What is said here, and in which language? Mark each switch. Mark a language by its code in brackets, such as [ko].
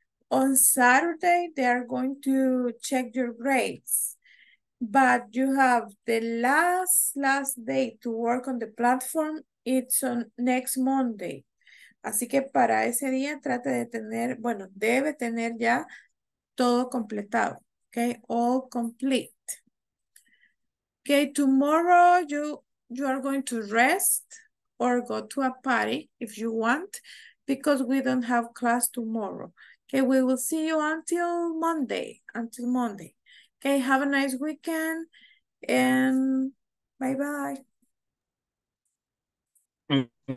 [en] On Saturday, they are going to check your grades. But you have the last day to work on the platform. It's on next Monday. [es] Así que para ese día trate de tener, bueno, debe tener ya todo completado. [en] Okay, all complete. Okay, tomorrow you are going to rest or go to a party if you want, because we don't have class tomorrow. Okay, we will see you until Monday. Okay, have a nice weekend and bye bye.